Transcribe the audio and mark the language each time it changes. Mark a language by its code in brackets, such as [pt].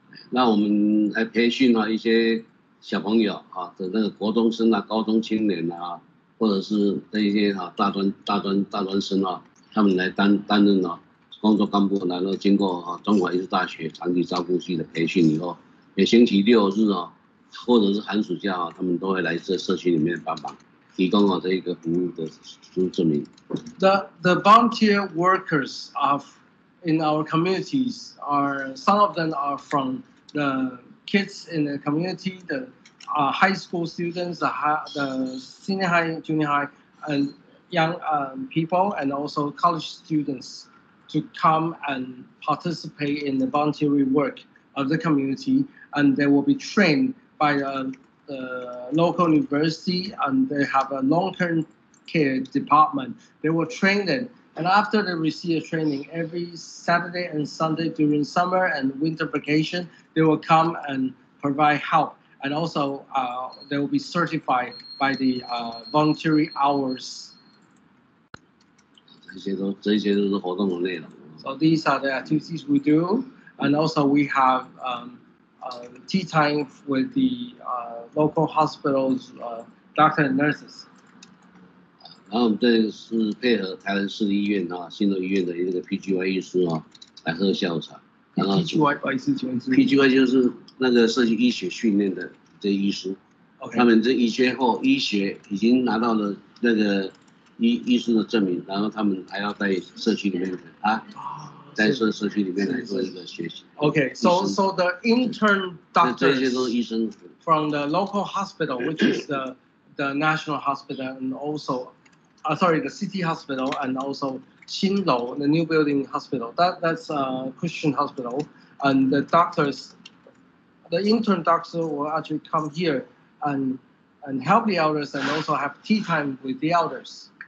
[zh] 那我们来培训啊一些小朋友啊的那个国中生啊、高中青年啊，或者是那些啊大专生啊，他们来担任啊。工作干部，然后经过中华艺术大学长期照顾系的培训以后，每星期六日啊，或者是寒暑假啊，他们都会来这社区里面帮忙，提供啊这个服务的证明。 [en] The volunteer workers of in our communities are some of them are from the kids in the community, the high school students, the senior high, junior high, and young people, and also college students. To come and participate in the voluntary work of the community, and they will be trained by a local university, and they have a long-term care department. They will train them, and after they receive a training every Saturday and Sunday during summer and winter vacation, they will come and provide help, and also they will be certified by the voluntary hours. [zh] 这些都是活动的内容。 [en] So these are the activities we do, and also we have tea time with the local hospitals, doctor and nurses. [zh] 然后我们这是配合台南市立医院啊，新竹医院的一个 PGY 医师啊，来喝下午茶。 [en] PGY [zh] 就是那个社区医学训练的这医师， [en] okay. [zh] 他们这医学已经拿到了那个。医师的证明，然后他们还要在社区里面在社区里面来做一个学习。 [en] Okay, so the intern doctors, [zh] 这些都是医生 [en] from the local hospital, which is the national hospital, and also, the city hospital, and also 新楼 the new building hospital. That's a Christian hospital, and the doctors, the intern doctor will actually come here and help the elders, and also have tea time with the elders.